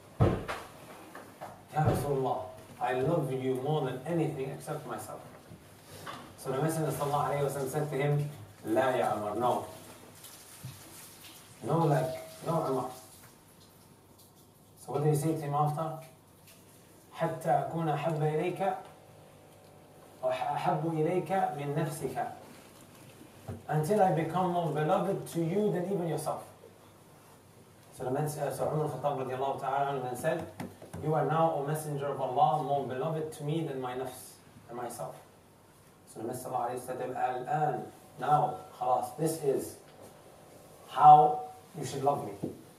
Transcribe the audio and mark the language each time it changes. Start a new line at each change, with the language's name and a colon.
English: Ya Rasulullah, I love you more than anything except myself. So the Messenger sallallahu alayhi wa sallam said to him, La ya Umar, no. No, like, no Umar. So what did he say to him after?
Arabic: حتى أكون أحب إليك أو أحب إليك من نفسك.
English: Until I become more beloved to you than even yourself. So Umar al-Khattab radiallahu ta'ala and then said, you are now, O Messenger of Allah, more beloved to me than my nafs and myself. So the Messenger of Allah said, now,
Arabic: خلاص,
English: this is how you should love me.